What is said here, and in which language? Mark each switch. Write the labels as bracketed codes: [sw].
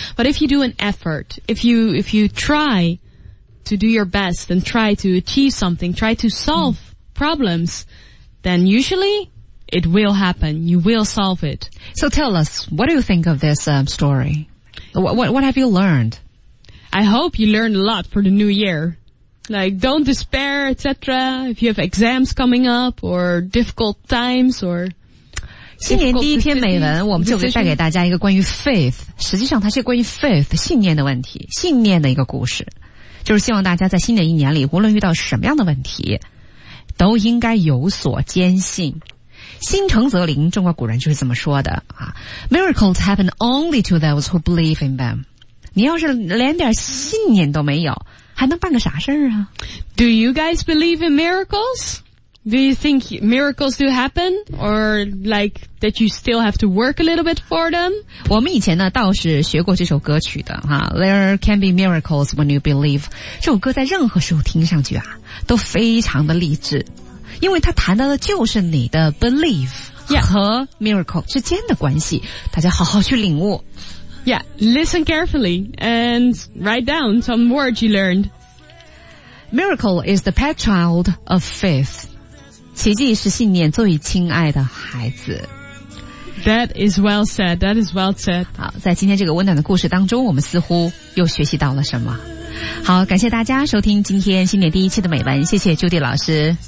[en] But if you do an effort, if you try... to do your best and try to achieve something, try to solve problems, then usually it will happen. You will solve it. So tell us, what do you think of this story? What have you learned? I hope you learned a lot for the new year. Like, don't despair, etc. If you have exams coming up or difficult times or... [zh] 新年第一篇美文我们就会带给大家一个关于 faith. 实际上它是关于 faith, 信念的问题,信念的一个故事。就是希望大家在新的一年里无论遇到什么样的问题都应该有所坚信。心诚则灵，中国古人就是这么说的啊。 [en] Miracles happen only to those who believe in them. [zh] 你要是连点信念都没有还能办个啥事啊？ [en] Do you guys believe in miracles? Do you think miracles do happen? Or like that you still have to work a little bit for them? [zh] 我们以前呢倒是学过这首歌曲的哈。 [en] There can be miracles when you believe. [zh] 这首歌在任何时候听上去啊都非常的励志。因为它谈到的就是你的 belief 和 miracle 之间的关系。大家好好去领悟。 [en] Yeah, listen carefully and write down some words you learned. Miracle is the pet child of faith. [zh] 奇迹是信念最亲爱的孩子。 [en] That is well said, that is well said. [zh] 好，在今天这个温暖的故事当中，我们似乎又学习到了什么。好，感谢大家收听今天新年第一期的美文，谢谢 Judy 老师。